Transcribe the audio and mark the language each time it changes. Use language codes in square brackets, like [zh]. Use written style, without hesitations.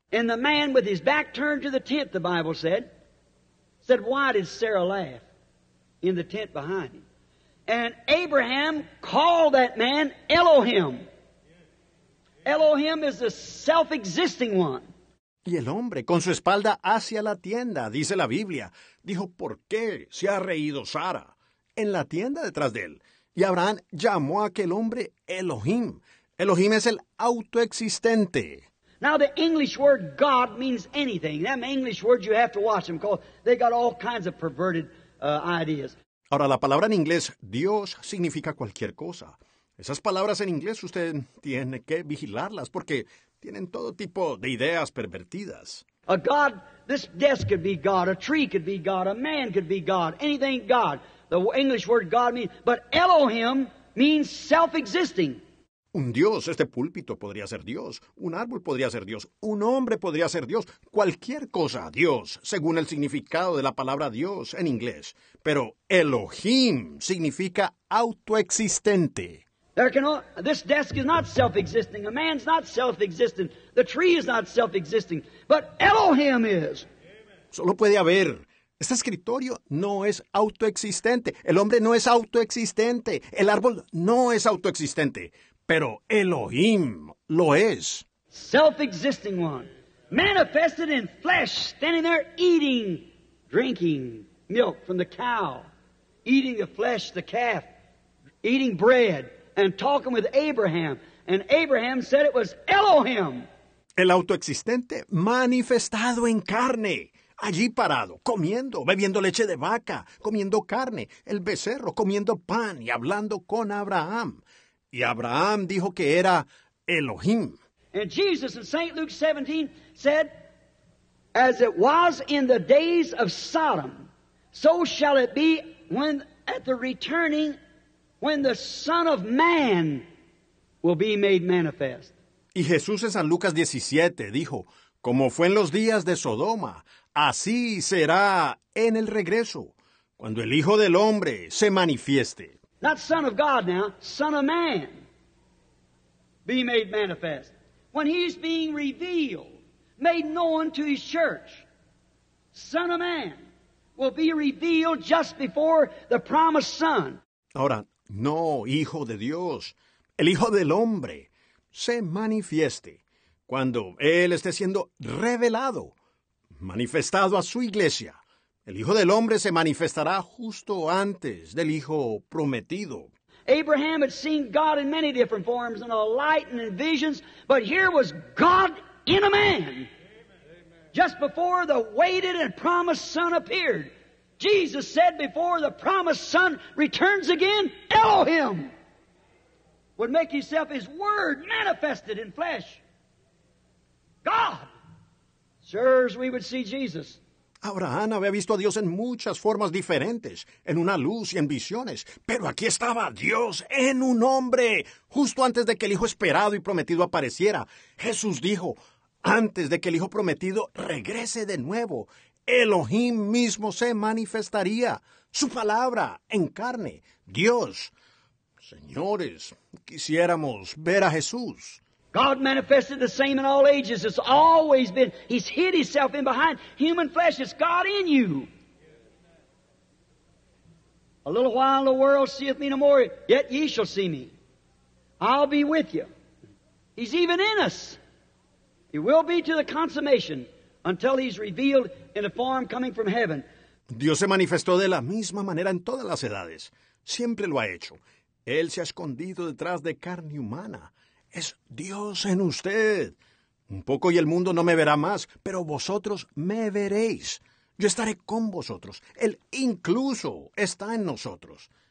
[en] And the man with his back turned to the tent, the Bible said, why did Sarah laugh in the tent behind him? And Abraham called that man Elohim. Elohim is the self-existing one. [es] Y el hombre, con su espalda hacia la tienda, dice la Biblia, dijo, ¿por qué se ha reído Sara en la tienda detrás de él? Y Abraham llamó a aquel hombre Elohim. Elohim es el autoexistente. [en] Now the English word God means anything. That English word you have to watch them because they got all kinds of perverted ideas. [es] Ahora la palabra en inglés Dios significa cualquier cosa. Esas palabras en inglés usted tiene que vigilarlas porque tienen todo tipo de ideas pervertidas. [en] A God, this desk could be God, a tree could be God, a man could be God, anything God. The English word God means, but Elohim means self-existing. [es] Un Dios, este púlpito podría ser Dios, un árbol podría ser Dios, un hombre podría ser Dios, cualquier cosa Dios, según el significado de la palabra Dios en inglés. Pero Elohim significa autoexistente. [en] This desk is not self-existing, a man's not self-existing, the tree is not self-existing, but Elohim is. [es] Solo puede haber. Este escritorio no es autoexistente. El hombre no es autoexistente. El árbol no es autoexistente. Pero Elohim lo es. [en] Self-existing one. manifested in flesh, standing there eating, drinking milk from the cow, eating the flesh, the calf, eating bread, and talking with Abraham. And Abraham said it was Elohim. [es] El autoexistente manifestado en carne. Allí parado, comiendo, bebiendo leche de vaca, comiendo carne, el becerro, comiendo pan y hablando con Abraham. Y Abraham dijo que era Elohim. [en] And Jesus in St. Luke 17 said, as it was in the days of Sodom, so shall it be when at the returning, when the Son of Man will be made manifest. [es] Y Jesús en San Lucas 17 dijo, como fue en los días de Sodoma, así será en el regreso, cuando el Hijo del Hombre se manifieste. [en] Not Son of God now, Son of Man be made manifest. When he's being revealed, made known to his church, Son of Man will be revealed just before the promised Son. [es] Ahora, no Hijo de Dios, el Hijo del Hombre se manifieste cuando Él esté siendo revelado, manifestado a su iglesia. El Hijo del Hombre se manifestará justo antes del Hijo prometido. [en] Abraham had seen God in many different forms, in a light and in visions, but here was God in a man. Just before the waited and promised Son appeared. Jesus said before the promised Son returns again, Elohim would make himself his word manifested in flesh. God. Sirs, we would see Jesus. [es] Abraham había visto a Dios en muchas formas diferentes, en una luz y en visiones. Pero aquí estaba Dios en un hombre, justo antes de que el Hijo esperado y prometido apareciera. Jesús dijo, antes de que el Hijo prometido regrese de nuevo, Elohim mismo se manifestaría, su palabra en carne, Dios. Señores, quisiéramos ver a Jesús. [en] God manifested the same in all ages. It's always been. He's hid himself in behind human flesh. It's God in you. A little while the world seeth me no more, yet ye shall see me. I'll be with you. He's even in us. He will be to the consummation until he's revealed in a form coming from heaven. [es] Dios se manifestó de la misma manera en todas las edades. Siempre lo ha hecho. Él se ha escondido detrás de carne humana. Es Dios en usted. Un poco y el mundo no me verá más, pero vosotros me veréis. Yo estaré con vosotros. Él incluso está en nosotros.